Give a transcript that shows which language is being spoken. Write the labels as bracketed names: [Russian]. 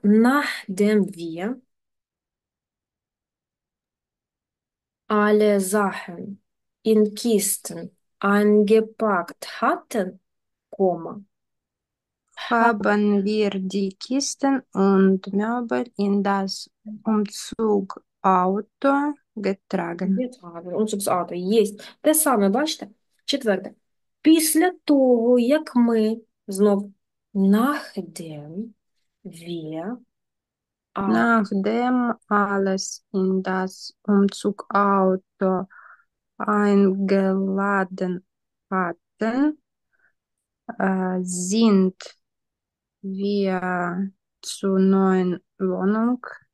[German] Nachdem wir alle Sachen in Kisten eingepackt hatten, Haben wir die Kisten und Möbel in das Umzugauto getragen? [Ukrainian] Umzugsauto. Єсть. Те саме, бачите? Четверте. Після того, як ми знов [German] nachdem wir Nachdem alles in das Umzugauto eingeladen hatten, sind wir zur neuen Wohnung